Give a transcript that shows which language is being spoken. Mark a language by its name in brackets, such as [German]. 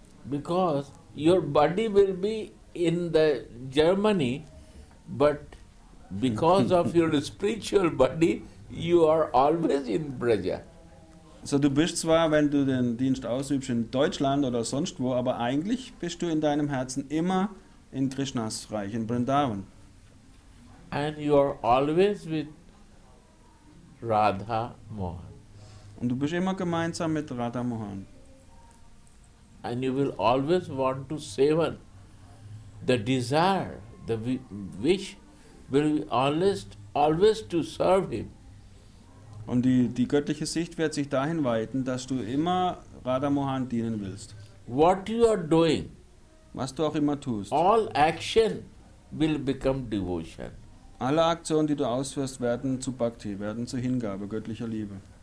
[English] Because your body will be in the Germany, but because of your spiritual body, you are always in Braja. [German] So du bist zwar, wenn du den Dienst ausübst, in Deutschland oder sonst wo, aber eigentlich bist du in deinem Herzen immer in Krishnas Reich, in Vrindavan. [English] And you are always with Radha Mohan. [German] Und du bist immer gemeinsam mit Radha Mohan. [English] And you will always want to savor the desire, the wish will be always to serve him. [German] Und die göttliche Sicht wird sich dahin weiten, dass du immer Radha Mohan dienen willst. [English] What you are doing, [German] was du auch immer tust, [English] all action will become devotion. [German] Alle Aktionen, die du ausführst, werden zu Bhakti, werden zu Hingabe, göttlicher Liebe.